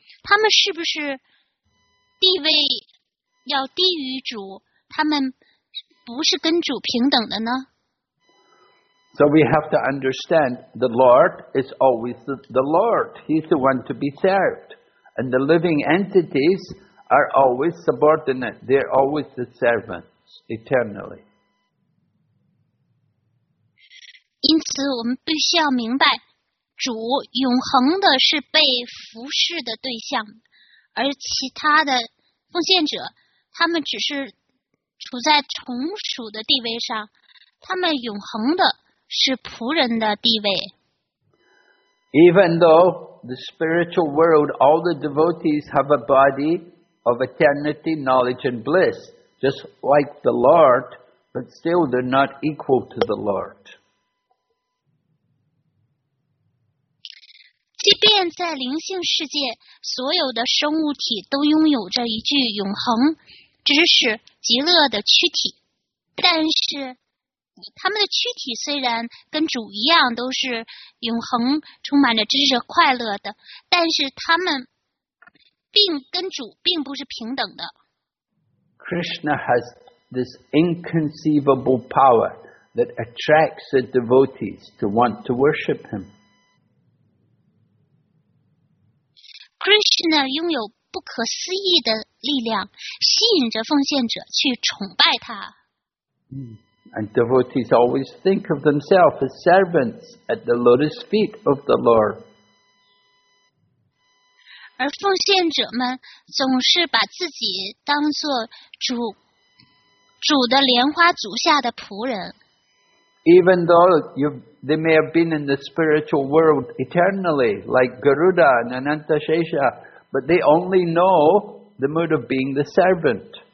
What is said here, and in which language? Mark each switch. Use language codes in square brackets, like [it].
[zh] 他们是不是地位要低于主？他们不是跟主平等的呢？ [en] So we have to understand the Lord is always the Lord. He's the one to be served. And the living entities are always subordinate. They're always the servants eternally. [zh] 因此我们必须要明白，主永恒的是被服侍的对象，而其他的奉献者，他们只是处在从属的地位上，他们永恒的是仆人的地位。 [en] Even though the spiritual world, all the devotees have a body of eternity, knowledge and bliss, just like the Lord, but still they're not equal to the Lord. [zh] 即便在灵性世界，所有的生物体都拥有着一具永恒知识极乐的躯体，但是他们的躯体虽然跟主一样都是永恒充满着知识快乐的，但是他们跟主并不是平等的。 [en] Krishna has this inconceivable power that attracts the devotees to want to worship him. [zh] 是呢，拥有不可思议的力量，吸引着奉献者去崇拜他。 [en] And devotees always think of themselves as servants at the lotus feet of the Lord. [zh] 而奉献者们总是把自己当作主的莲花足下的仆人。 [en] Even though they may have been in the spiritual world eternally, like Garuda and Anantashesha, but they only know the mood of being the servant.